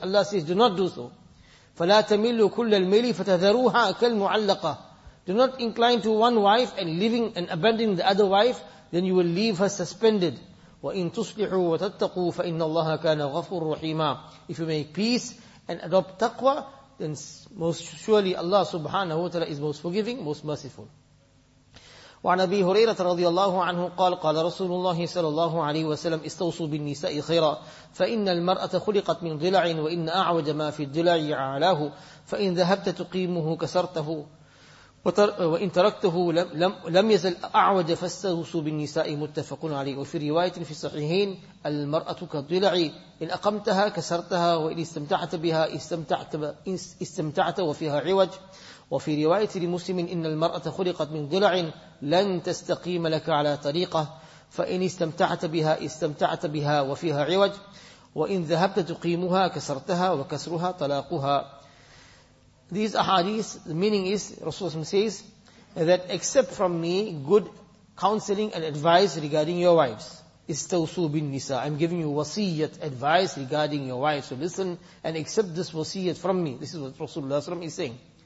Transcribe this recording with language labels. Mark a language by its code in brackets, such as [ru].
[en] Allah says, do not do so. [ar] فَلَا تَمِلُّ كُلَّ الْمَيْلِ فَتَذَرُوهَا كَالْمُعَلَّقَةِ [en] Do not incline to one wife and leaving and abandoning the other wife, then you will leave her suspended. [ar] وَإِنْ تُصْلِحُوا وَتَتَّقُوا فَإِنَّ اللَّهَ كَانَ غَفُورٌ رَحِيمًا [en] If you make peace and adopt taqwa, then most surely Allah subhanahu wa ta'ala is most forgiving, most merciful. [ar] وعن أبي هريرة رضي الله عنه قال قال رسول الله صلى الله عليه وسلم استوصوا بالنساء خيرا فإن المرأة خلقت من ضلع وإن أعوج ما في الضلع عالاه فإن ذهبت تقيمه كسرته وإن تركته لم يزل أعوج فاستوصوا بالنساء متفق عليه وفي رواية في الصحيحين المرأة كالضلع إن أقمتها كسرتها وإن استمتعت بها استمتعت وفيها عوج وفي رواية لمسلم إن المرأة خلقت من ضلع لن تستقيم لك على طريقة فإن استمتعت بها استمتعت بها وفيها عوج وإن ذهبت تقيمها كسرتها وكسرها طلاقها. [en] These ahadith, the meaning is, Rasulullah says, that accept from me good counseling and advice regarding your wives. [ar] Istawsu bin nisa. [en] I'm giving you wasiyat, advice regarding your wives. So listen and accept this wasiyat from me. This is what Rasulullah is saying.